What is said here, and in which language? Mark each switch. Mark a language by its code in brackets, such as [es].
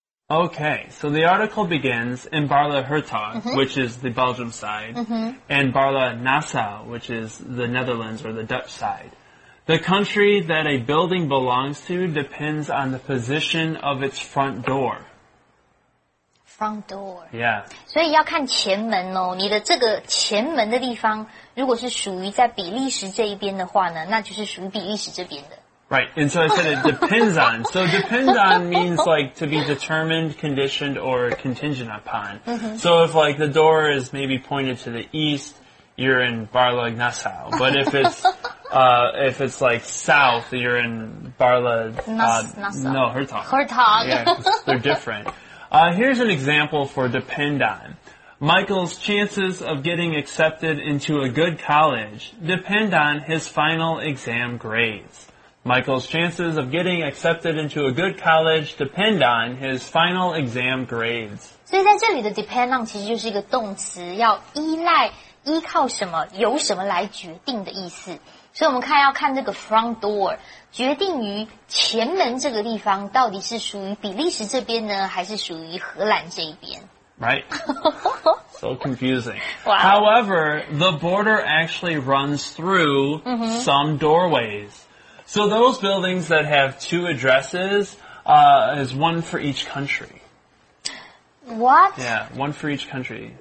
[en] Okay, so the article begins in Barla Hertog, which is the Belgium side, and Barla Nassau, which is the Netherlands or the Dutch side. The country that a building belongs to depends on the position of its front door. Front door. Yeah. [zh] 所以要看前门哦，你的这个前门的地方，如果是属于在比利时这一边的话呢，那就是属于比利时这边的。 [en] Right, and so I said it depends on. So depends on means like to be determined, conditioned, or contingent upon. So if like the door is maybe pointed to the east, you're in Barla Nassau. But if it's, if it's like south, you're in Barla, no, Hertog. Hertog. Yeah, they're different. Here's an example for depend on. Michael's chances of getting accepted into a good college depend on his final exam grades. Michael's chances of getting accepted into a good college depend on his final exam grades. [zh] 所以在这里的 depend on 其实就是一个动词，要依赖、依靠什么、由什么来决定的意思。所以我们看要看这个 front door 决定于前门这个地方到底是属于比利时这边呢还是属于荷兰这一边 [en] Right? So confusing. Wow. However, the border actually runs through some doorways. So those buildings that have two addresses, is one for each country. What? Yeah, one for each country.